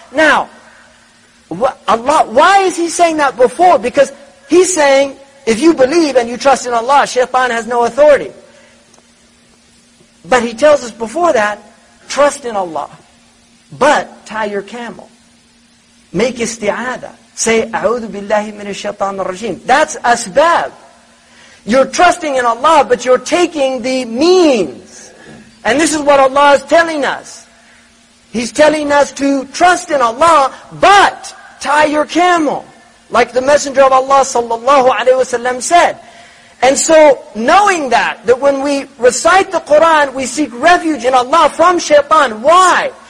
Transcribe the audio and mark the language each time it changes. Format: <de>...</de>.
<en>Now, Allah, why is he saying that before? Because he's saying, if you believe and you trust in Allah, Shaitan has no authority. But he tells us before that, trust in Allah. But tie your camel. Make isti'adha. Say,</en> <ar>أعوذ بالله من الشيطان الرجيم.</ar> <en>That's asbab. You're trusting in Allah, but you're taking the means. And this is what Allah is telling us. He's telling us to trust in Allah, but tie your camel. Like the Messenger of Allah sallallahu alaihi wasallam said. And so, knowing that when we recite the Qur'an, we seek refuge in Allah from Shaitan. Why?</en>